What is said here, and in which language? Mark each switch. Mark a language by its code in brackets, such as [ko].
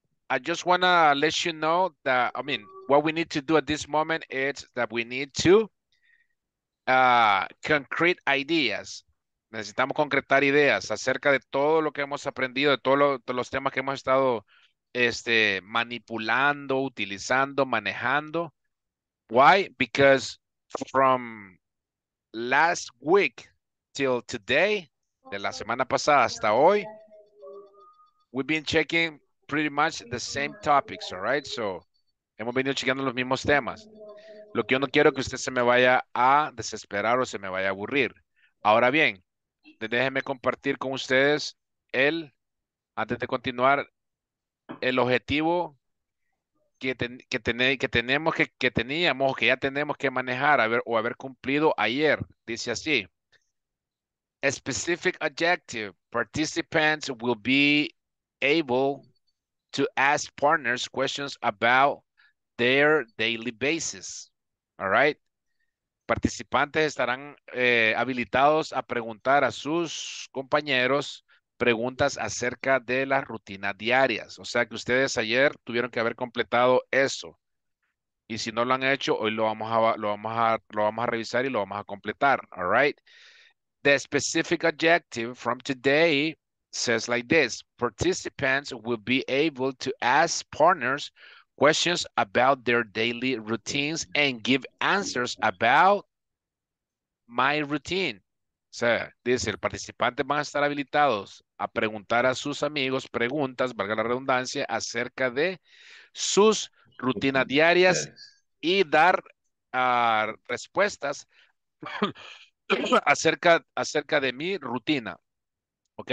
[en] I just want to let you know that, I mean, what we need to do at this moment is that we need to concrete ideas. [es] Necesitamos concretar ideas acerca de todo lo que hemos aprendido, de todos los temas que hemos estado manipulando, utilizando, manejando. [en] Why? Because from last week till today, [es] de la semana pasada hasta hoy, [en] we've been checking pretty much the same topics, all right? [es] So, hemos venido chequeando los mismos temas. Lo que yo no quiero es que usted se me vaya a desesperar o se me vaya a aburrir. Ahora bien, déjenme compartir con ustedes antes de continuar, el objetivo que teníamos que manejar haber cumplido ayer. Dice así: [en] a specific objective, participants will be able to ask partners questions about their daily basis. All right, [es] participantes estarán habilitados a preguntar a sus compañeros preguntas acerca de las rutinas diarias. O sea que ustedes ayer tuvieron que haber completado eso. Y si no lo han hecho, hoy lo vamos a revisar y lo vamos a completar. [en] All right. The specific objective from today says like this: participants will be able to ask partners questions about their daily routines and give answers about my routine. [es] O sea, dice, el participante van a estar habilitados a preguntar a sus amigos preguntas, valga la redundancia, acerca de sus rutinas diarias y dar respuestas acerca de mi rutina. ¿Ok?